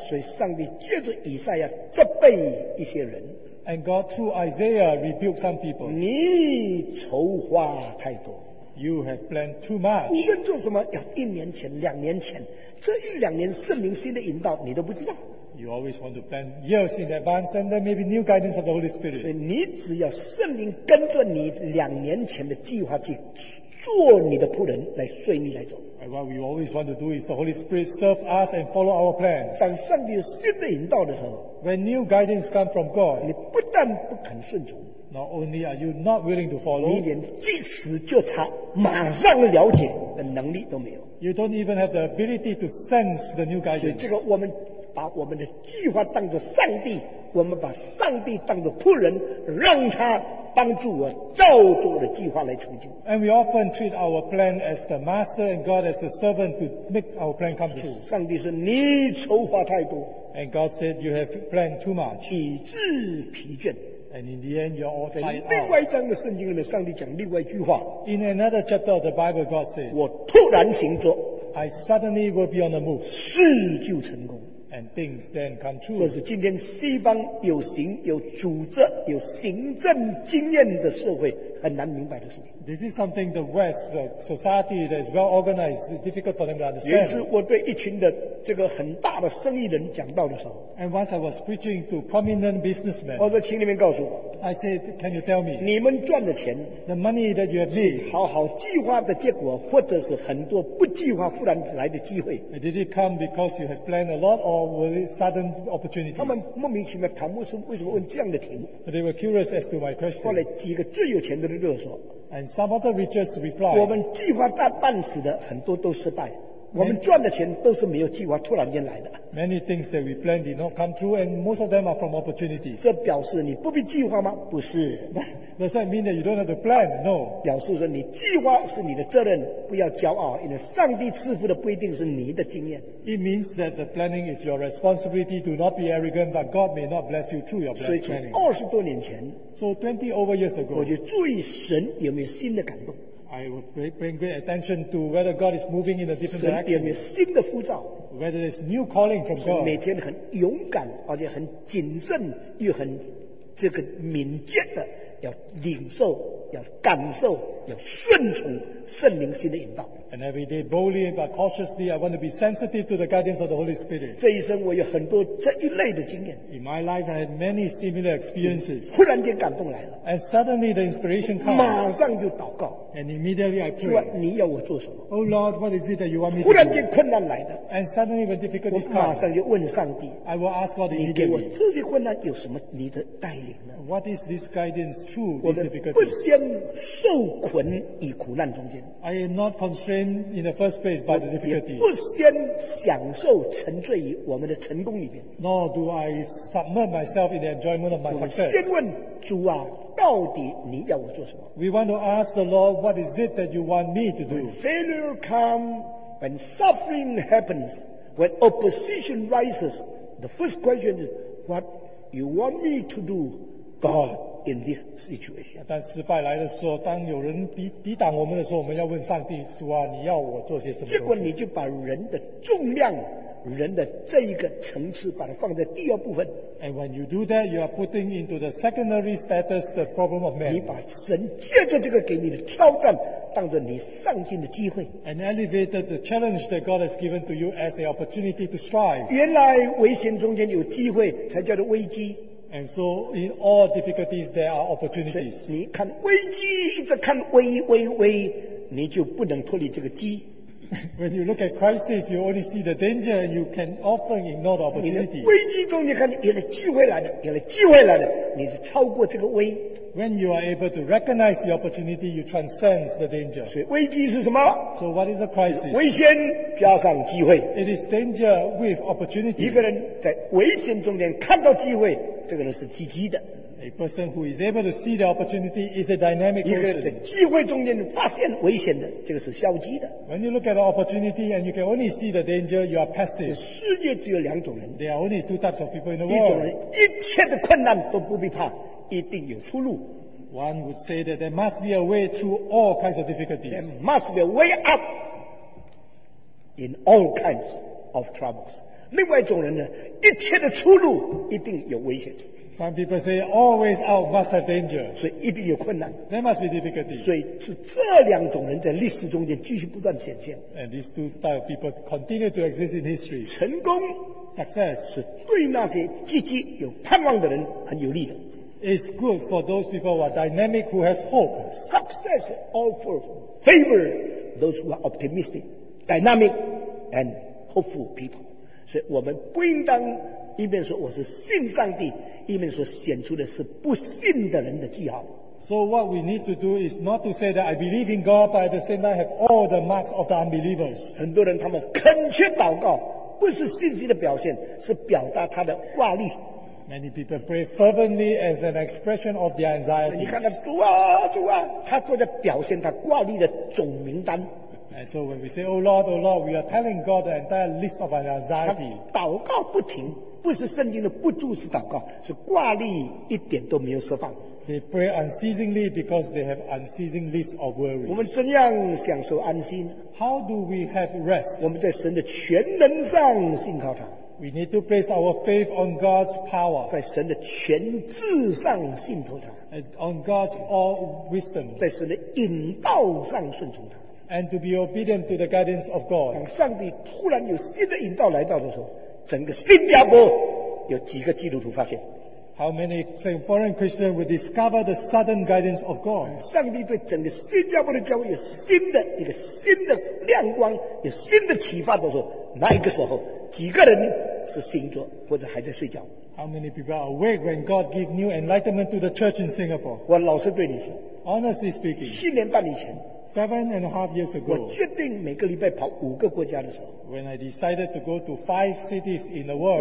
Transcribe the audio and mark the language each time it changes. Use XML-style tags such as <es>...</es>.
<zh>所以上帝借着以赛亚责备一些人。</zh> <en>And God through Isaiah rebuked some people.</en> <zh>你筹划太多。</zh> <en>You have planned too much.</en> <zh>无论做什么，要一年前、两年前，这一两年圣灵新的引导，你都不知道。</zh> <en>You always want to plan years in advance, and then maybe new guidance of the Holy Spirit.</en> <zh>所以你只要圣灵跟着你两年前的计划去做你的仆人，来随你来走。</zh> <en>And what we always want to do is the Holy Spirit serve us and follow our plans.</en> <zh>当上帝有新的引导的时候</zh> <en>，When new guidance comes from God,</en> <zh>你不但不肯顺从。</zh> <en>Not only are you not willing to follow,</en> <zh>你连即时就察马上了解的能力都没有。</zh> <en>You don't even have the ability to sense the new guidance.</en> <zh>所以这个我们把我们的计划当作上帝，我们把上帝当作仆人，让他帮助我照着我的计划来成就。</zh> <en>And we often treat our plan as the master and God as a servant to make our plan come true.</en> <zh>上帝说你筹划太多。</zh> <en>And God said you have planned too much.</en> <zh>以致疲倦。</zh> <en>And in the end, you're all tired.</en> <zh>在另外一章的圣经里面，上帝讲另外一句话。</zh> <en>In another chapter of the Bible, God says,</en> <zh>我突然行作。</zh> <en>I suddenly will be on the move.</en> <zh>事就成功。</zh> <en>And things then come true.</en> <zh>这是今天西方有形、有组织、有行政经验的社会很难明白的事情。</zh> <en>This is something the West society that is well organized is difficult for them to understand.</en> <zh>也是我对一群的这个很大的生意人讲道的时候。</zh> <en>And once I was preaching to prominent businessmen.</en> <zh>我说，请你们告诉我。</zh> <en>I said, can you tell me?</en> <zh>你们赚的钱</zh> <en>，the money that you have made,</en> <zh>是好好计划的结果，或者是很多不计划忽然来的机会</zh> <en>？Did it come because you had planned a lot, or were it sudden opportunities?</en> <zh>他们莫名其妙，唐牧师为什么问这样的题目</zh> <en>？They were curious as to my question.</en> <zh>后来几个最有钱的人就说</zh> <en>，And some of the richest replied,</en> <zh>我们计划大半死的很多都失败。我们赚的钱都是没有计划突然间来的。</zh> <en>Many things that we plan did not come true, and most of them are from opportunities.</en> <zh>这表示你不必计划吗？不是。</zh> <en>Does that mean that you don't have to plan? No.</en> <zh>表示说你计划是你的责任，不要骄傲，因为上帝赐福的不一定是你的经验。</zh> <en>It means that the planning is your responsibility. Do not be arrogant, but God may not bless you through your planning.</en> <zh>所以从二十多年前</zh> <en>，So 20 over years ago，</en> <zh>我就注意神有没有新的感动。</zh> <en>I will bring great attention to whether God is moving in a different direction.</en> <zh>神有没有新的呼召？</zh> <en>Whether there's new calling from God.</en> <zh>每天很勇敢，而且很谨慎，又很这个敏捷的，要领受，要感受，要顺从圣灵新的引导。</zh> <en>And every day boldly but cautiously, I want to be sensitive to the guidance of the Holy Spirit.</en> <zh>这一生我有很多这一类的经验。</zh> <en>In my life, I had many similar experiences.</en> <zh>忽然间感动来了。</zh> <en>And suddenly the inspiration comes.</en> <zh>马上就祷告。</zh> <en>And immediately I pray.</en> <zh>主啊，你要我做什么</zh> <en>？Oh Lord, what is it that you want me to do?</en> <zh>忽然间困难来的。</zh> <en>And suddenly when difficulties come,</en> <zh>我马上就问上帝。</zh> <en>I will ask God immediately.</en> <zh>你给我这些困难有什么你的带领呢</zh> <en>？What is this guidance through these difficulties?</en> <zh>我们不先受困于苦难中间。</zh> <en>I am not constrained in the first place by the difficulties.</en> <zh>不先享受沉醉于我们的成功里面。</zh> <en>Nor do I submerge myself in the enjoyment of my success.</en> <zh>我们先问主啊。到底你要我做什么</zh> <en>？We want to ask the Lord, what is it that you want me to do? When failure comes, when suffering happens, when opposition rises, the first question is, what you want me to do, God, in this situation?</en> <zh>当失败来的时候，当有人抵挡我们的时候，我们要问上帝说啊，你要我做些什么？结果你就把人的重量人的这一个层次把它放在第二部分。</zh> <en>And when you do that, you are putting into the secondary status the problem of man.</en> <zh>你把神借着这个给你的挑战当作你上进的机会。</zh> <en>And elevated the challenge that God has given to you as an opportunity to strive.</en> <zh>原来危险中间有机会才叫做危机。</zh> <en>And so in all difficulties, there are opportunities.</en> <zh>你看危机，一直看危危危，你就不能脱离这个机。</zh> <en>When you look at crisis, you only see the danger, and you can often ignore the opportunity.</en> <zh>危机中间看有了机会来的，有了机会来的，你是超过这个危。</zh> <en>When you are able to recognize the opportunity, you transcend the danger.</en> <zh>所以危机是什么？</zh> <en>So what is a crisis?</en> <zh>危险加上机会。</zh> <en>It is danger with opportunity.</en> <zh>一个人在危险中间看到机会，这个人是积极的。</zh> <en>A person who is able to see the opportunity is a dynamic person.</en> <zh>一个人在机会中间发现危险的，这个是消极的。</zh> <en>When you look at the opportunity and you can only see the danger, you are passive.</en> <zh>世界只有两种人。</zh> <en>There are only two types of people in the world.</en> <zh>一种人一切的困难都不必怕，一定有出路。</zh> <en>One would say that there must be a way through all kinds of difficulties. There must be a way up in all kinds of troubles.</en> <zh>另外一种人呢，一切的出路一定有危险。</zh> <en>Some people say always out must have danger.</en> <zh>所以一定有困难。</zh> <en>There must be difficulty.</en> <zh>所以是这两种人在历史中间继续不断显现。</zh> <en>And these two type of people continue to exist in history.</en> <zh>成功</zh> <en>success</en> <zh>是对那些积极有盼望的人很有利的。</zh> <en>It's good for those people who are dynamic who has hope. Success also favor those who are optimistic, dynamic, and hopeful people.</en> <zh>所以我们不应当一边说我是信上帝，一边说显出的是不信的人的记号。</zh> <en>So what we need to do is not to say that I believe in God, but at the same time have all the marks of the unbelievers.</en> <zh>很多人他们恳切祷告，不是信心的表现，是表达他的挂虑。</zh> <en>Many people pray fervently as an expression of their anxieties.</en> <zh>你看他主啊主啊，他都在表现他挂虑的总名单。</zh> <en>And so when we say, oh Lord, we are telling God the entire list of our anxiety.</en> <zh>祷告不停，不是圣经的不住是祷告，是挂虑一点都没有释放。</zh> <en>They pray unceasingly because they have unceasing list of worries.</en> <zh>我们怎样享受安心？</zh> <en>How do we have rest?</en> <zh>我们在神的全能上信靠他。</zh> <en>We need to place our faith on God's power.</en> <zh>在神的全智上信靠他。</zh> <en>And on God's all wisdom.</en> <zh>在神的引导上顺从他。</zh> <en>And to be obedient to the guidance of God.</en> <zh>当上帝突然有新的引导来到的时候，整个新加坡有几个基督徒发现。</zh> <en>How many Singaporean Christians will discover the sudden guidance of God?</en> <zh>上帝对整个新加坡的教会有新的一个新的亮光，有新的启发的时候，那一个时候，几个人是醒着或者还在睡觉。</zh> <en>How many people are awake when God gives new enlightenment to the church in Singapore?</en> <zh>我老实对你说。</zh> <en>Honestly speaking.</en> <zh>七年半以前。</zh> <en>Seven and a half years ago,</en> <zh>我决定每个礼拜跑五个国家的时候，</zh> <en>when I decided to go to five cities in the world,</en>